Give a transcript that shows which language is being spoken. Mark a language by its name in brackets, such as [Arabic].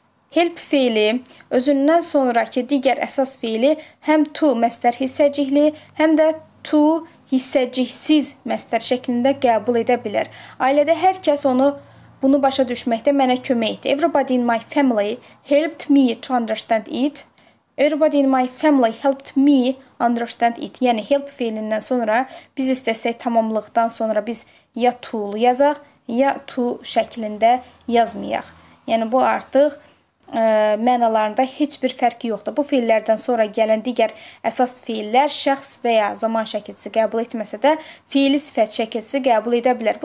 [Azerbaijani] Help fiili özündən sonrakı digər əsas fiili həm to məsdər hissəcikli, həm də to hissəciksiz məsdər şəklində qəbul edə bilər. Ailədə hər kəs bunu başa düşməkdə mənə kömək etdi. [English] Everybody in my family helped me to understand it. Everybody in my family helped me understand it. [Azerbaijani] Yəni help fiilindən sonra biz istəsək tamamlıqdan sonra biz ya to-lu yazaq, ya to şəklində yazmayaq. Yəni bu artıq mənalarında heç bir fərqi yoxdur. Bu fiillərdən sonra gələn digər əsas fiillər şəxs və ya zaman şəkilçisi qəbul etməsə də fiili sifət şəkilçisi qəbul edə bilər.